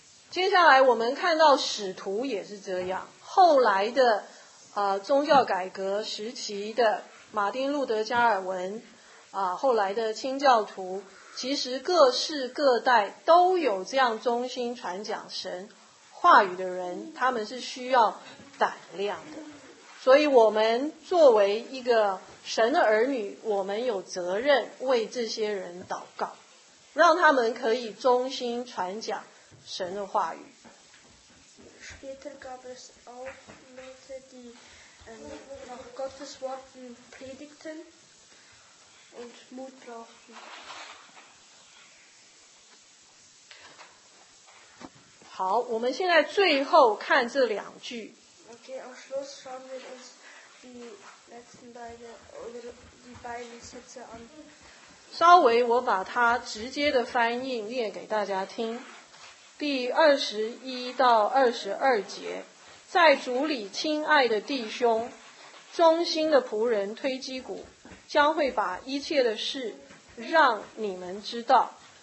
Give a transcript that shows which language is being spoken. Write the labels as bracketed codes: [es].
[zh] 接下来我们看到使徒也是这样，后来的宗教改革时期的马丁路德加尔文后来的清教徒，其实各世各代都有这样忠心传讲神话语的人，他们是需要胆量的。所以我们作为一个神的儿女，我们有责任为这些人祷告，让他们可以忠心传讲神的话语。 [de] Später gab es auch Leute, die nach Gottes Worten predigten und Mut brauchten. [zh] 好，我们现在最后看这两句。 [de] Okay, am Schluss schauen wir uns die letzten beiden oder die beiden Sätze an. [zh] 稍微我把它直接的翻译念给大家听。第二十一到二十二节，在主里亲爱的弟兄，忠心的仆人推基古将会把一切的事让你们知道。